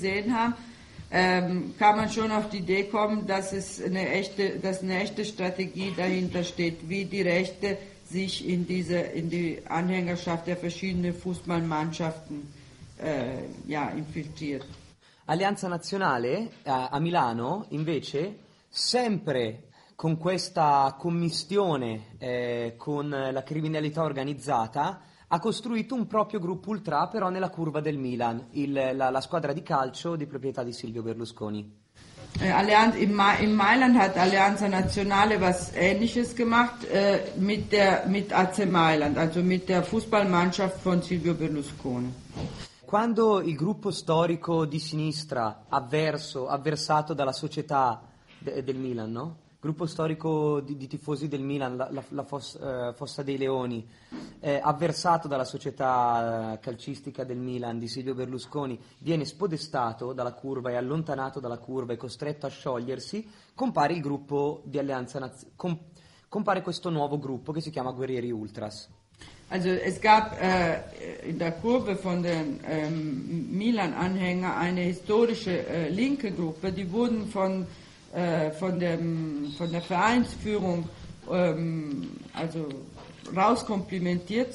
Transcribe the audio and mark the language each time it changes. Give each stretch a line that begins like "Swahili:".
German: Kann man schon auf die Idee kommen, dass eine echte Strategie dahinter steht, wie die Rechte sich in die Anhängerschaft der verschiedenen Fußballmannschaften infiltriert.
Italian: Allianza Nazionale a Milano invece sempre con questa commistione con la criminalità organizzata ha costruito un proprio gruppo ultra però nella curva del Milan, la squadra di calcio di proprietà di Silvio Berlusconi.
German: In Mailand hat Allianza Nazionale was ähnliches gemacht mit AC Mailand, also mit der Fußballmannschaft von Silvio Berlusconi.
Italian: Quando il gruppo storico di sinistra avversato dalla società del Milan, no? Gruppo storico di tifosi del Milan, la Fossa dei Leoni, avversato dalla società calcistica del Milan di Silvio Berlusconi, viene spodestato dalla curva e allontanato dalla curva e costretto a sciogliersi, compare il gruppo di Alleanza Nazionale, compare questo nuovo gruppo che si chiama Guerrieri Ultras.
German: Also es gab in der Kurve von den Milan Anhänger eine historische linke Gruppe, die wurden von der Vereinsführung also rauskomplimentiert.